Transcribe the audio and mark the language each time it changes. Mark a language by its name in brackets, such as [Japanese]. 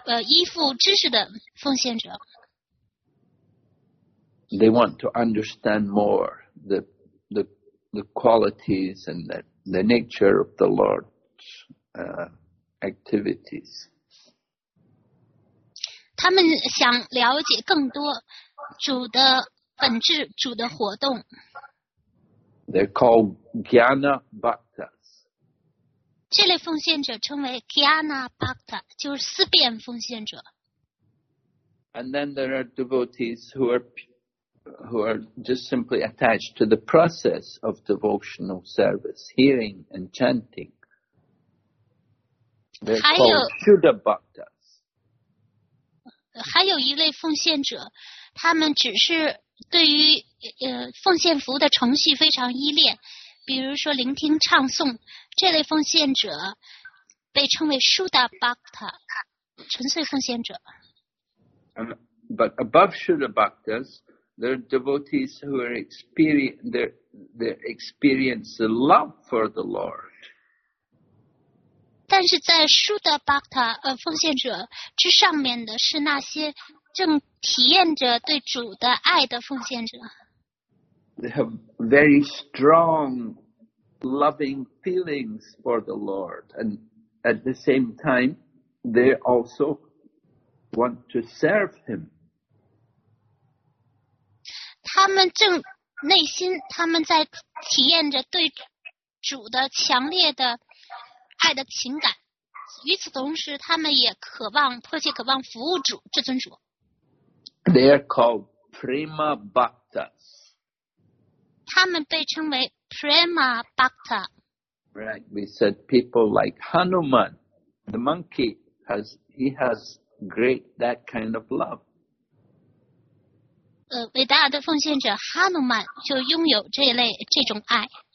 [Chinese] 那第一个层面就是依附知识的奉献者。 [English] They want to understand more the qualities and the nature of the Lord's activities. [Chinese] 他们想了解更多主的本质，主的活动。 [English] They're called Jnana Bhaktas. [Chinese] 这类奉献者称为 Jnana Bhaktas, 就是思辨奉献者。 [English] And then there are devotees who are just simply attached to the process of devotional service, hearing and chanting. They're called Shuddha Bhaktas. [Chinese] 还有一类奉献者，他们只是对于奉献服务的程序非常依恋，比如说聆听唱诵，这类奉献者被称为 Shuddha Bhakta，纯粹奉献者。 [English] But above Shuddha Bhaktas, there are devotees who are experience the love for the Lord. [Chinese] 但是在 Shuddha Bhakta 奉献者之上面的是那些正体验着对主的爱的奉献者。 [English] They have very strong loving feelings for the Lord, and at the same time, they also want to serve Him. [Chinese] 他们正内心，他们在体验着对主的强烈的爱的情感。与此同时，他们也渴望，迫切渴望服务主，这尊主。 [English] They are called Prema Bhaktas. [Chinese] 他们被称为 Prema Bhakta. [English] Right, we said people like Hanuman, the monkey, he has great that kind of love. [Chinese] 伟大的奉献者哈努曼就拥有这种爱。